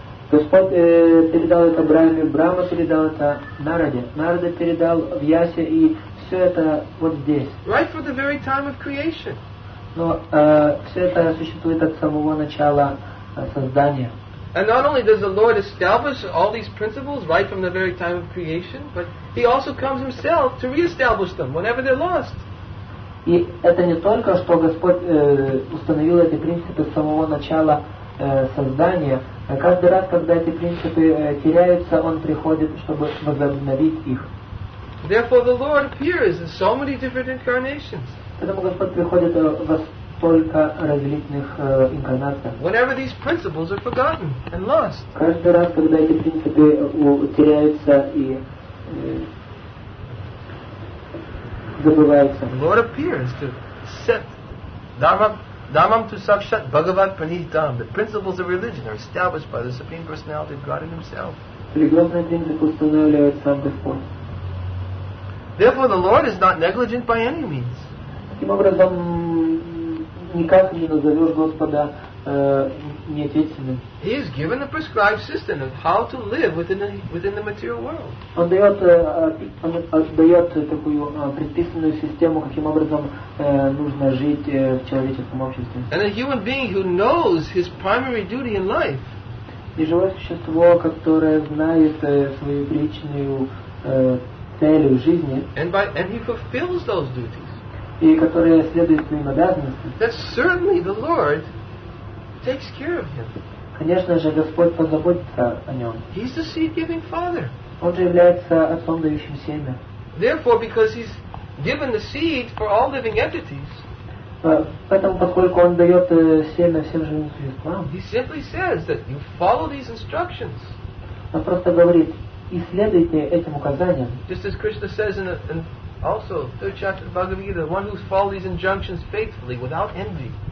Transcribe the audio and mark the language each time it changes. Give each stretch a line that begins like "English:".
Russian: Господь передал это Брахме, Брахма передал это Нараде, Нарада передал Вьясе, и все это вот здесь.
English: Right from the very time of creation.
Russian: Но все это существует от самого начала создания.
English: And not only does the Lord establish all these principles right from the very time of creation, but He also comes Himself to reestablish them whenever they're lost.
Russian: И это не только, что Господь установил эти принципы с самого начала создания. Каждый раз, когда эти принципы теряются, он приходит, чтобы возобновить их.
English: Therefore, the Lord appears in so many different incarnations.
Russian: Поэтому Господь приходит во столько различных инкарнациях.
English: Whenever these principles are forgotten and lost.
Russian: Каждый раз, когда эти принципы теряются и забывается.
English: Lord appears to set Dhammam to Sakshat Bhagavat Pranitam. The principles of religion are established by the Supreme Personality of God in Himself. Therefore, the Lord is not negligent by any means.
Russian: Таким образом, никак не назовешь Господа неответственным.
English: He has given a prescribed system of how to live within the material world.
Russian: Он дает такую предписанную систему, каким образом нужно жить в человеческом обществе.
English: And a human being who knows his primary duty in life.
Russian: И живое существо, которое знает свою причинную целью жизни,
English: and he fulfills those duties.
Russian: И которые следуют своим обязанностям.
English: That certainly the Lord takes care of him.
Russian: Конечно же, Господь позаботится о нем.
English: He's the seed-giving father.
Russian: Он же является отцом, дающим семя.
English: Therefore, because he's given the seed for all living entities,
Russian: поэтому, поскольку он дает семя всем живым существам,
English: he simply says that you follow these instructions.
Russian: Он просто говорит, исследуйте этим указаниям.
English: Just as Krishna says in also third chapter of Bhagavad Gita, one who follows these injunctions faithfully without envy.